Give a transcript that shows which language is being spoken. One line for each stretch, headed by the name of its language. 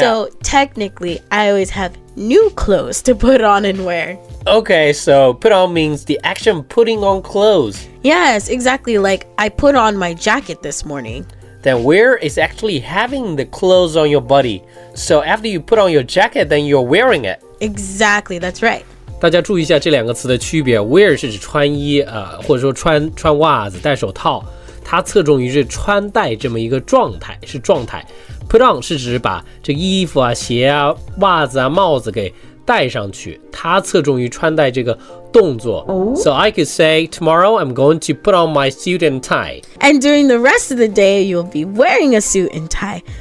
English: So technically, I always have new clothes to put on and wear. Okay, so put on means the action putting on clothes. Yes, exactly. Like I put on my jacket this morning. Then wear is actually having the clothes on your body. So after you put on your jacket, then you're wearing it. Exactly, that's right.
Chinese: 大家注意一下这两个词的区别。Wear 是指穿衣、或者说穿袜子、戴手套。它侧重于是穿戴这么一个状态，是状态。 Put on 是指把这衣服啊、鞋啊、袜子啊、帽子给戴上去。它侧重于穿戴这个动作。
English: Oh. So I could say, tomorrow I'm going to put on my suit and tie. And during the rest of the day, you'll be wearing a suit and tie.